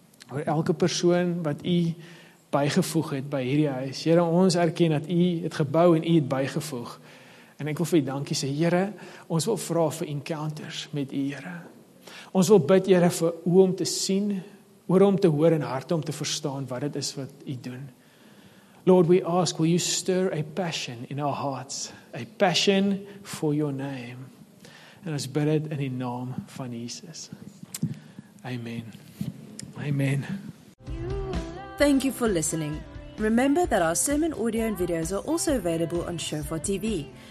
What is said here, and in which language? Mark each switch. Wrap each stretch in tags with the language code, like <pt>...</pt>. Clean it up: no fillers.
<af>Oor elke persoon wat u bygevoeg het by hierdie huis. Here, ons erken dat u het gebou en u het bygevoeg. En ek wil vir u dankie sê, Here, ons wil vra vir encounters met u, Here. Ons wil bid, Here, vir oë om te sien, oor om te hoor en harte om te verstaan wat dit is wat u doen.</af> <en>Lord, we ask, will you stir a passion in our hearts? A passion for your name.</en> <af>And ons bid dit in die naam van Jesus. Amen. Amen.</af> <en>Thank you for listening. Remember that our sermon audio and videos are also available on Shofar TV.</en>